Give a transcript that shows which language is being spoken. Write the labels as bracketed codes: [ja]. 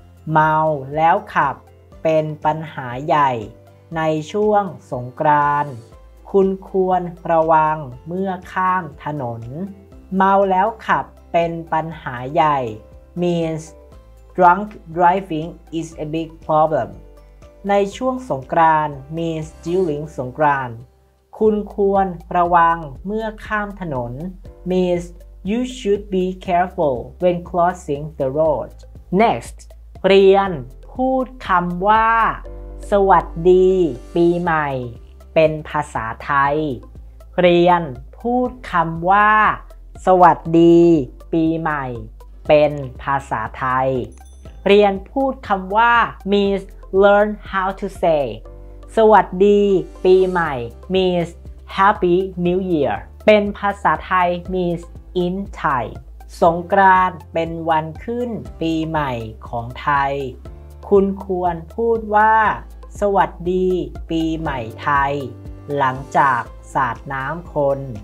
[th] เมาแล้วขับเป็นปัญหาใหญ่ในช่วงสงกรานต์คุณควรระวังเมื่อข้ามถนนเมาแล้วขับเป็นปัญหาใหญ่ [en] means drunk driving is a big problem [th] ในช่วงสงกรานต์ [en] means during [th] สงกรานต์คุณควรระวังเมื่อข้ามถนน means [en] you should be careful when crossing the road. [th] Next, เรียนพูดคำว่าสวัสดีปีใหม่เป็นภาษาไทยเรียนพูดคำว่า สวัสดีปีใหม่เป็นภาษาไทยเรียนพูดคำว่า [en] means learn how to say [th] สวัสดีปีใหม่ [en] means happy new year [th] เป็นภาษาไทย [en] means in Thai [th] สงกรานต์เป็นวันขึ้นปีใหม่ของไทยคุณควรพูดว่าสวัสดีปีใหม่ไทยหลังจากสาดน้ำคน